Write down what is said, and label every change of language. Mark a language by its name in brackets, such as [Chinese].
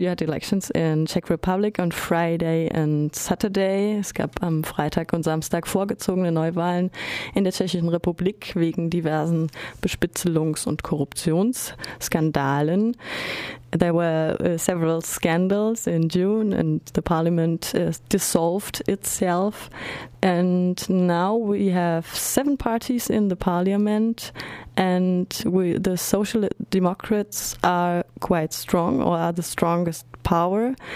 [German] Ja, die [English] Elections in Czech Republic on Friday and Saturday. [German] Es gab am Freitag und Samstag vorgezogene Neuwahlen in der Tschechischen Republik wegen diversen Bespitzelungs- und Korruptionsskandalen. [English] There were several scandals in June and the parliament dissolved itself. And now we have 7 parties in the parliament and the Social Democrats are quite strong or are the strongest power.